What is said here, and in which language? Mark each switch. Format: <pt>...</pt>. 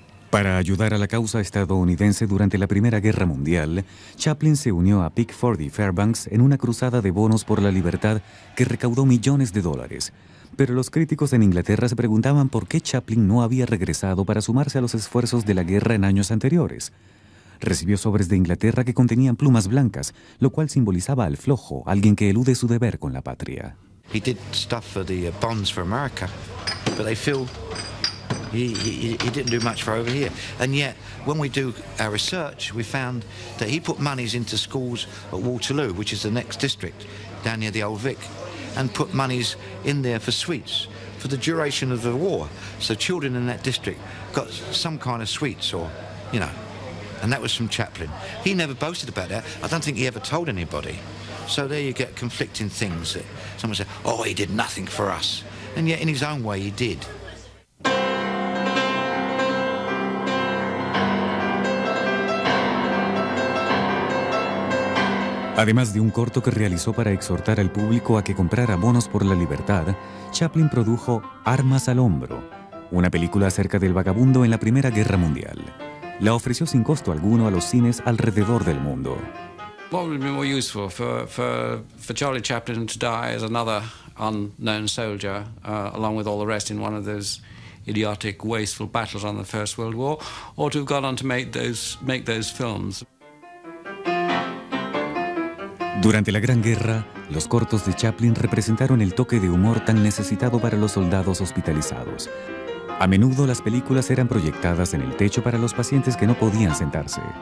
<es>Para ayudar a la causa estadounidense durante la Primera Guerra Mundial, Chaplin se unió a Pickford y Fairbanks en una cruzada de bonos por la libertad que recaudó millones de dólares. Pero los críticos en Inglaterra se preguntaban por qué Chaplin no había regresado para sumarse a los esfuerzos de la guerra en años anteriores. Recibió sobres de Inglaterra que contenían plumas blancas, lo cual simbolizaba al flojo, alguien que elude su deber con la patria.</es> <en>He did stuff for the bonds for America, but I feel he didn't do much for over here. And yet, when we do our research, we found that he put monies into schools at Waterloo, which is the next district, down near the Old Vic, and put monies in there for sweets for the duration of the war. So children in that district got some kind of sweets or, you know, and that was from Chaplin. He never boasted about that. I don't think he ever told anybody. So there you get conflicting things that someone said, oh, he did nothing for us. And yet in his own way, he did.</en> <es>Además de un corto que realizó para exhortar al público a que comprara bonos por la libertad, Chaplin produjo Armas al hombro, una película acerca del vagabundo en la Primera Guerra Mundial. La ofreció sin costo alguno a los cines alrededor del mundo.</es> <en>What would be more useful for Charlie Chaplin to die as another unknown soldier, along with all the rest, in one of those idiotic, wasteful battles on the First World War, or to have gone on to make those films?</en> <es>Durante la Gran Guerra, los cortos de Chaplin representaron el toque de humor tan necesitado para los soldados hospitalizados. A menudo las películas eran proyectadas en el techo para los pacientes que no podían sentarse.</es>